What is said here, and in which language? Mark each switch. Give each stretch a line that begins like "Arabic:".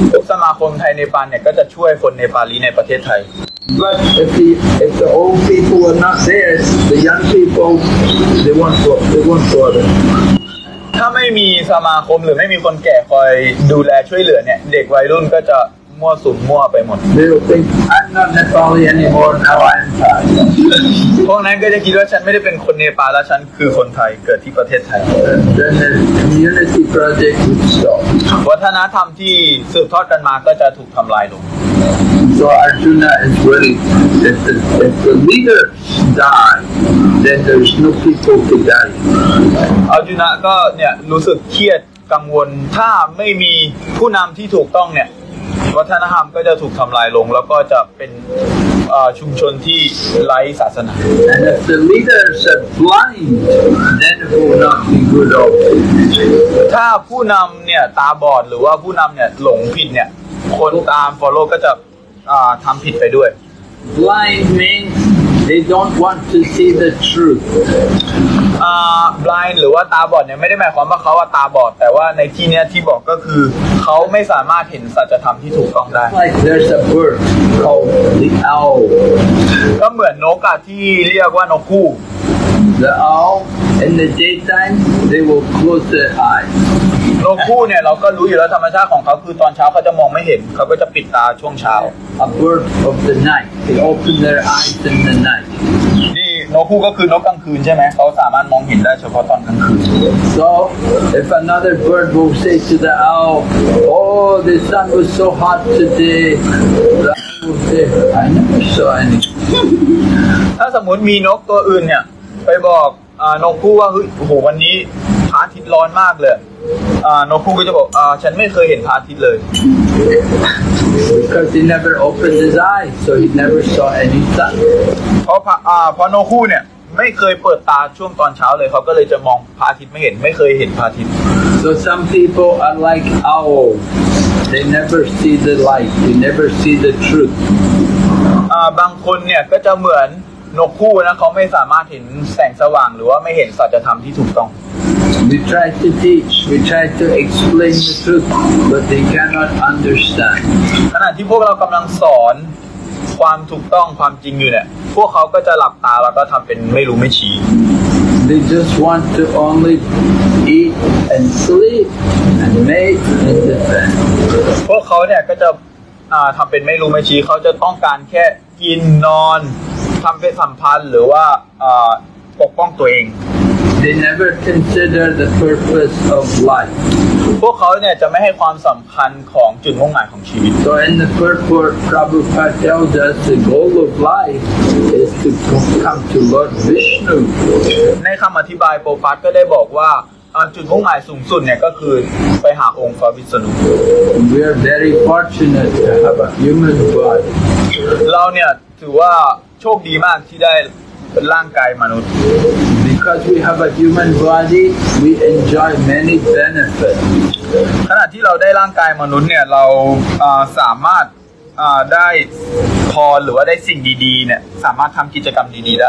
Thai: สมาคมไทยเนปาลเนี่ยก็จะช่วยคนเนปาลีในประเทศไทย
English: But if the old people are not there the young people they won't bother
Thai: ถ้าไม่มีสมาคมหรือไม่มีคนแก่คอยดูแลช่วยเหลือเนี่ยเด็กวัยรุ่นก็จะ มั่วสุมมั่วไปหมด
English: They will think I'm not Nepali anymore now I'm Thai
Thai: พวกนั้นก็จะคิดว่าฉันไม่ได้เป็นคนเนปาลแล้วฉันคือคนไทยเกิดที่ประเทศไทย
English: Then the community project would stop
Thai: วัฒนธรรมที่สืบทอดกันมาก็จะถูกทำลายลง
English: So Arjuna is worried that if the leader die then there's no people to die
Thai: Arjuna ก็เนี่ยรู้สึกเครียดกังวลถ้าไม่มีผู้นำที่ถูกต้องเนี่ยวัฒนธรรมก็จะถูกทำลายลงแล้วก็จะเป็นชุมชนที่ไร้ศาสนา
English: And if the leaders are blind then it will not be good of
Thai: ถ้าผู้นำเนี่ยตาบอดหรือว่าผู้นำเนี่ยหลงผิดเนี่ยคนตาม follow ก็จะทำผิดไปด้วย
English: Blind means they don't want to see the truth
Thai: blind หรือว่าตาบอดเนี่ยไม่ได้หมายความว่าเขาว่าตาบอดแต่ว่าในที่เนี้ยที่บอกก็คือเขาไม่สามารถเห็นสัจธรรมที่ถูกต้องได้
English: like there's a bird called the owl
Thai: ก็เหมือนนกอะที่เรียกว่านกคู่
English: the owl in the daytime they will close their eyes
Thai: นกคู่เนี่ยเราก็รู้อยู่แล้วธรรมชาติของเขาคือตอนเช้าเขาจะมองไม่เห็นเขาก็จะปิดตาช่วงเช้า
English: a bird of the night they open their eyes in the night
Thai: นกคู่ก็คือนกกลางคืนใช่ไหมเขาสามารถมองเห็นได้เฉพาะตอนกลางคืน
English: So if another bird will say to the owl Oh the sun was so hot today The owl will say I never saw any
Thai: ถ้าสมมุติมีนกตัวอื่นเนี่ยไปบอกนกคู่ว่าเฮ้ยโอ้โหวันนี้พระอาทิตย์ร้อนมากเลยนกคู่ก็จะบอกฉันไม่เคยเห็นพระอาทิตย์เลย
English: Because he never opened his eyes so he never saw any sun
Thai: เพราะนกคู่เนี่ยไม่เคยเปิดตาช่วงตอนเช้าเลยเขาก็เลยจะมองพระอาทิตย์ไม่เห็นไม่เคยเห็นพระอาทิตย์
English: So some people are like owls they never see the light they never see the truth
Thai: บางคนเนี่ยก็จะเหมือนนกคู่นะเขาไม่สามารถเห็นแสงสว่างหรือว่าไม่เห็นสัจธรรมที่ถูกต้อง
English: We try to teach we try to explain the truth but they cannot understand
Thai: ขณะที่พวกเรากำลังสอนความถูกต้องความจริงอยู่เนี่ยพวกเขาก็จะหลับตาแล้วก็ทำเป็นไม่รู้ไม่ชี้
English: They just want to only eat and sleep and mate and defend
Thai: พวกเขาเนี่ยก็จะทำเป็นไม่รู้ไม่ชี้เขาจะต้องการแค่กินนอนทำเพศสัมพันธ์หรือว่าปกป้องตัวเอง
English: They never consider the purpose of life
Thai: พวกเขาเนี่ยจะไม่ให้ความสำคัญของจุดมุ่งหมายของชีวิต
English: So in the first word Prabhupada tells us the goal of life is to come to Lord Vishnu
Thai: ในคำอธิบายโปรปัตก็ได้บอกว่าจุดมุ่งหมายสูงสุดเนี่ยก็คือไปหาองค์พระวิษณุ
English: We are very fortunate to have a human body
Thai: เราเนี่ยถือว่าโชคดีมากที่ได้ร่างกายมนุษย์
English: Because we have a human body, we enjoy many benefits.
Thai: ขณะที่เราได้ร่างกายมนุษย์เนี่ยเราสามารถได้พรหรือว่าได้สิ่งดีๆเนี่ยสามารถทำกิจกรรมดีๆได